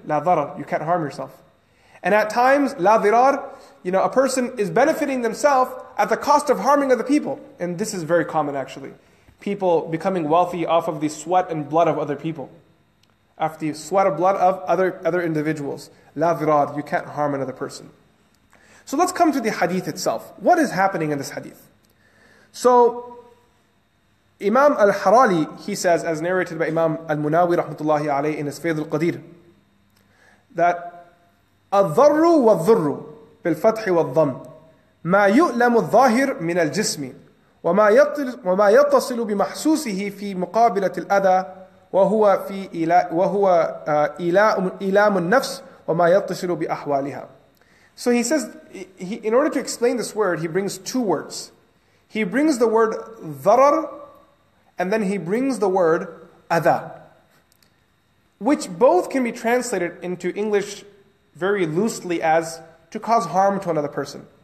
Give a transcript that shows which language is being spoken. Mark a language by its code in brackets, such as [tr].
[en] La darar, you can't harm yourself. And at times, la dirar, you know, a person is benefiting themselves at the cost of harming other people. And this is very common actually. people becoming wealthy off of the sweat and blood of other people. After the sweat and blood of other individuals. La dirar, you can't harm another person. So let's come to the hadith itself. What is happening in this hadith? [ar] So, Imam al-Harali, he says, as narrated by Imam al-Munawi rahmatullahi alayhi in his Fayd al-Qadir, that الضر والضر بالفتح والضم ما يؤلم الظاهر من الجسم وما يتصل بمحسوسه في مقابلة الأذى وهو في وهو إلام النفس وما يتصل بأحوالها. [en] So he says, in order to explain this word, he brings two words. He brings the word ضرر, and then he brings the word أذى, which both can be translated into English very loosely as to cause harm to another person.